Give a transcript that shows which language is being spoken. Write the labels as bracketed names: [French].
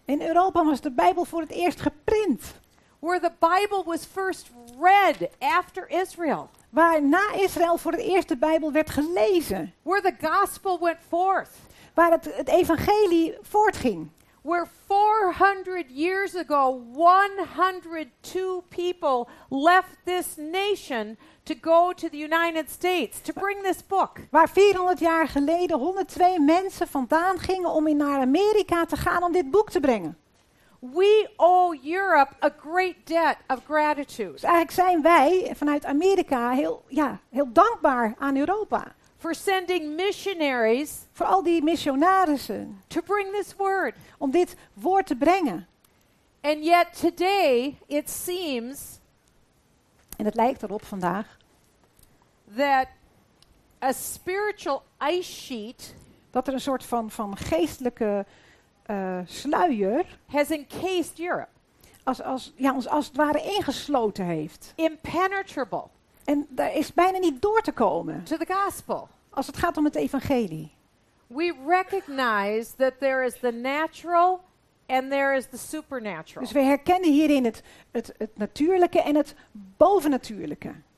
[Dutch] In Europa was de Bijbel voor het eerst geprint. [English] Where the Bible was first read after Israel. [Dutch] Waar na Israël voor het eerst de Bijbel werd gelezen. [English] Where the gospel went forth. [Dutch] Waar het evangelie voortging. [English] Where 400 years ago 102 people left this nation to go to the United States to bring this book. [Dutch] Waar 400 jaar geleden 102 mensen vandaan gingen om naar Amerika te gaan om dit boek te brengen. [English] We owe Europe a great debt of gratitude. [Dutch] Dus eigenlijk zijn wij vanuit Amerika heel dankbaar aan Europa. [English] For sending missionaries, [Dutch] voor al die missionarissen, [English] to bring this word, [Dutch] om dit woord te brengen. [English] And yet today it seems, [Dutch] en het lijkt erop vandaag, [English] that a spiritual ice sheet, [Dutch] dat een soort van geestelijke sluier, [English] has encased Europe, [Dutch] als het ware ingesloten heeft, [English] impenetrable. [Dutch] En daar is bijna niet door te komen. [English] To the gospel. [Dutch] Als het gaat om het evangelie. [English] We recognize that there is the natural and there is the supernatural. [Dutch] Dus we herkennen hierin het natuurlijke en het bovennatuurlijke.